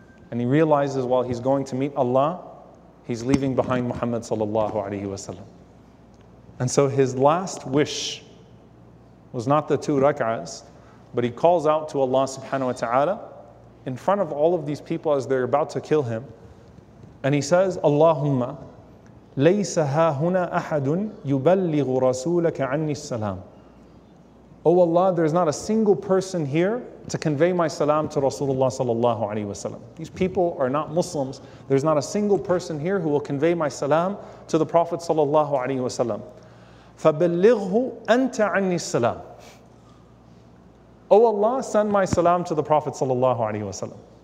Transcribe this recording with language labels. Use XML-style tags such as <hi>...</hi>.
<en>And he realizes while he's going to meet Allah, he's leaving behind Muhammad ﷺ. And so his last wish was not the two rak'ahs, but he calls out to Allah subhanahu wa ta'ala in front of all of these people as they're about to kill him. And he says,</en> <ar>Allahumma, لَيْسَ هَا هُنَا أَحَدٌ يُبَلِّغُ رَسُولَكَ عَنِّي السَّلَامُ.</ar> <en>Oh Allah, there is not a single person here to convey my salam to Rasulullah sallallahu alayhi wa sallam. These people are not Muslims. There is not a single person here who will convey my salam to the Prophet sallallahu alayhi wa sallam.</en> <ar>فَبَلِّغْهُ أَنْتَ عَنِّي السَّلَامُ.</ar> <en>Oh Allah, send my salam to the Prophet sallallahu alayhi wa sallam.</en>